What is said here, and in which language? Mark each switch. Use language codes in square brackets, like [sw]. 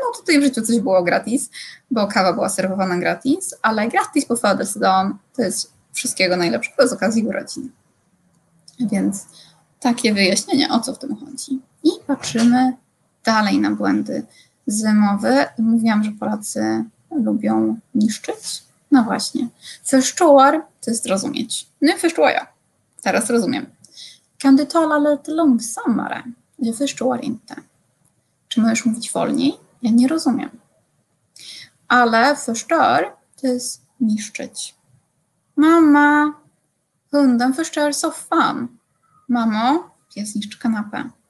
[pl] No tutaj w życiu coś było gratis, bo kawa była serwowana gratis, ale gratis po fadesdom to jest wszystkiego najlepszego z okazji urodzin. Więc takie wyjaśnienie, o co w tym chodzi. I patrzymy dalej na błędy z wymowy. Mówiłam, że Polacy lubią niszczyć. No właśnie. Verstår, to jest rozumieć. Nie [sv] verstår jag. [pl] Teraz rozumiem. [sv] Kan du tala lite långsammare? Jag förstår inte. [pl] Czy możesz mówić wolniej? Ja nie rozumiem. Ale förstör to jest niszczyć. [sv] Mama, hunden förstör soffan. [pl] Mamo, pies niszczy kanapę.